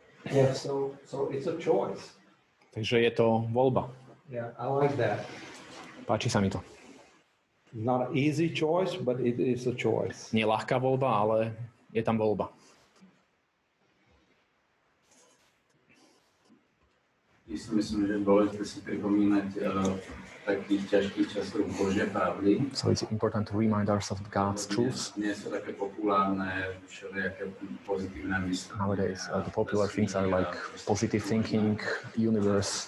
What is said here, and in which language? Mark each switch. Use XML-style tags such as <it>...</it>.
<en>Yeah, so it's a choice.</en> <sk>Takže je to voľba.</sk> <en>Yeah, I like that.</en> <sk>Páči sa mi to.</sk> <en>Not an easy choice, but it is a choice.</en> <sk>Nie ľahká voľba, ale je tam voľba.</sk> <en>Is</en> <sk>si myslím, že dôležité si pripomínať takých ťažkých časov Božie pravdy.</sk> <en>So it's important to remind ourselves of God's truth.</en> <sk>Nie sú také populárne všelijaké pozitívne myslenie.</sk> <en>Nowadays, the popular things are like positive thinking, universe.</en>